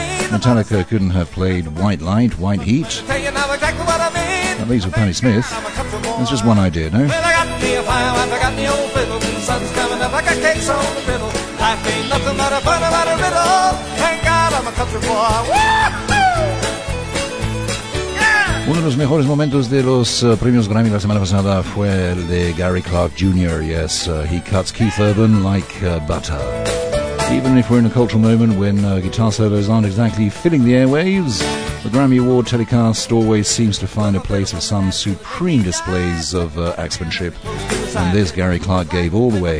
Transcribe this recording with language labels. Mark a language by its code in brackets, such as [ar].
[en] Metallica couldn't have played White Light, White Heat. At least with Patti Smith. That's just one idea, no? Well, I got me a fire, I got me old fiddle. The sun's coming up like a cake's on the fiddle. Life ain't nothing but a fun about a riddle. Thank God I'm a country boy. [es] Uno de los mejores momentos de los premios Grammy la semana pasada fue el de Gary Clark Jr. [en] Yes, he cuts Keith Urban like butter. Even if we're in a cultural moment when guitar solos aren't exactly filling the airwaves, the Grammy Award telecast always seems to find a place of some supreme displays of axemanship. And this Gary Clark gave all the way.